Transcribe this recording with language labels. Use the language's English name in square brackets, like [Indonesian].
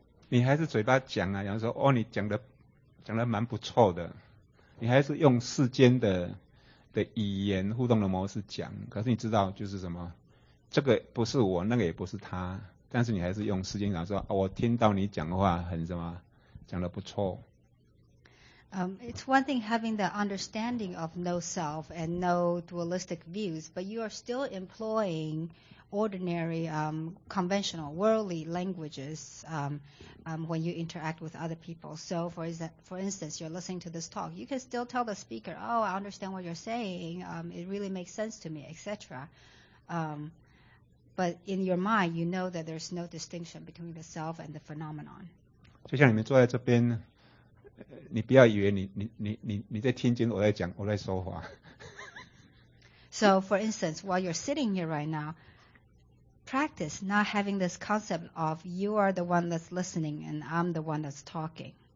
[Chinese] 你还是嘴巴讲啊，比方说哦，你讲的蛮不错的，你还是用世间的语言互动的模式讲，可是你知道就是什么，这个不是我，那个也不是他，但是你还是用世间讲说，哦，我听到你讲话很什么，讲的不错。 [English] It's one thing having the understanding of no self and no dualistic views, but you are still employing ordinary, conventional, worldly languages when you interact with other people. So for instance, you're listening to this talk, you can still tell the speaker, oh, I understand what you're saying, it really makes sense to me, etc. But in your mind, you know that there's no distinction between the self and the phenomenon. [Chinese] 就像你们坐在这边。你不要以为你在听经，我在讲，我在说话。 [English] So for instance, while you're sitting here right now, practice not having this concept of you are the one that's listening and I'm the one that's talking.